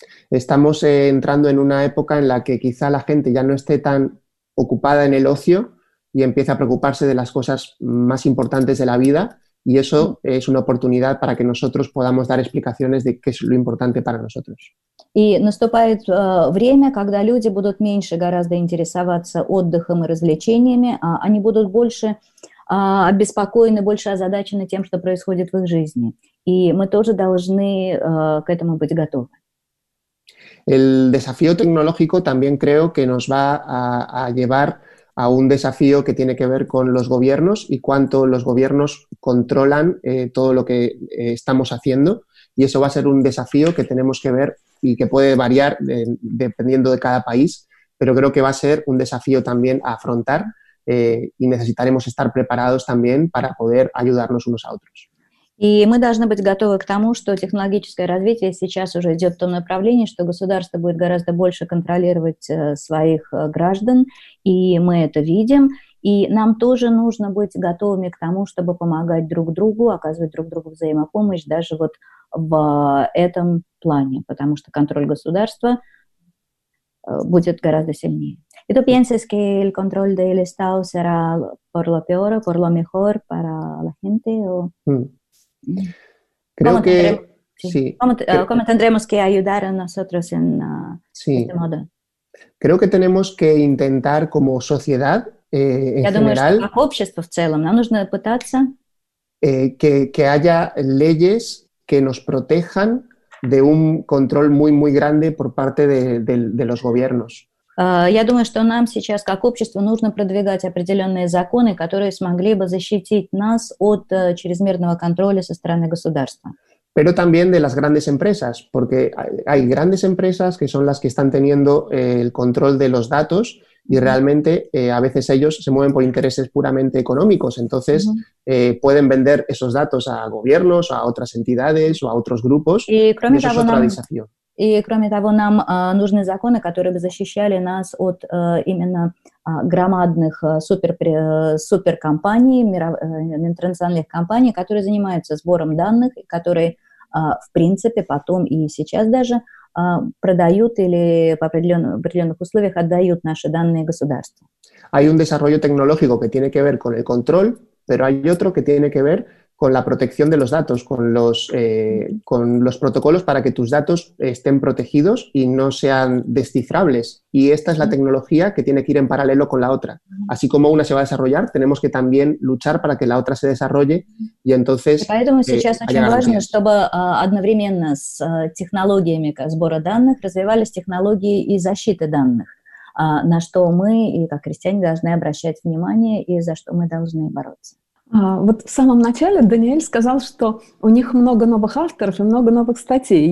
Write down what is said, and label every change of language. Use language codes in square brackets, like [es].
[es] Estamos entrando en una época en la que quizá la gente ya no esté tan ocupada en el ocio y empieza a preocuparse de las cosas más importantes de la vida, y eso es una oportunidad para que nosotros podamos dar explicaciones de qué es lo importante para nosotros. [ru] Y наступает время, когда люди будут меньше гораздо интересоваться отдыхом и развлечениями, а они будут больше обеспокоены, больше озадачены тем, что происходит в их жизни. И мы тоже должны к этому быть готовы. [es] El desafío tecnológico también creo que nos va a llevar a un desafío que tiene que ver con los gobiernos y cuánto los gobiernos controlan todo lo que estamos haciendo. Y eso va a ser un desafío que tenemos que ver y que puede variar dependiendo de cada país, pero creo que va a ser un desafío también a afrontar y necesitaremos estar preparados también para poder ayudarnos unos a otros. [ru] И мы должны быть готовы к тому, что технологическое развитие сейчас уже идет в том направлении, что государство будет гораздо больше контролировать своих граждан, и мы это видим. И нам тоже нужно быть готовыми к тому, чтобы помогать друг другу, оказывать друг другу взаимопомощь даже вот в этом плане, потому что контроль государства будет гораздо сильнее. [es] ¿Y tú piensas que el control del Estado será por lo peor o por lo mejor para la gente? O... Creo que sí. ¿Cómo tendremos que ayudar a nosotros en este modo? Creo que tenemos que intentar como sociedad que haya leyes que nos protejan de un control muy muy grande por parte de los gobiernos. [ru] Я думаю, что нам сейчас, как обществу, нужно продвигать определенные законы, которые смогли бы защитить нас от чрезмерного контроля со стороны государства. [es] Pero también de las grandes empresas, porque hay grandes empresas que son las que están teniendo el control de los datos y realmente a veces ellos se mueven por intereses puramente económicos, entonces pueden vender esos datos a gobiernos, a otras entidades o a otros grupos, y eso es otro desafío. [ru] И, кроме того, нам нужны законы, которые бы защищали нас от именно громадных суперкомпаний, интернациональных компаний, которые занимаются сбором данных, которые, в принципе, потом и сейчас даже продают или по определенных условиях отдают наши данные государству. [es] Hay un desarrollo tecnológico que tiene que ver con el control, pero hay otro que tiene que ver con la protección de los datos, con los protocolos para que tus datos estén protegidos y no sean descifrables. Y esta es la tecnología que tiene que ir en paralelo con la otra. Así como una se va a desarrollar, tenemos que también luchar para que la otra se desarrolle y entonces... [ru] Y поэтому сейчас очень важно, чтобы одновременно с технологиями сбора данных развивались технологии и защиты данных, на что мы, и как христиане, должны обращать внимание и за что мы должны бороться. Вот в самом начале Даниэль сказал, что у них много новых авторов и много новых статей.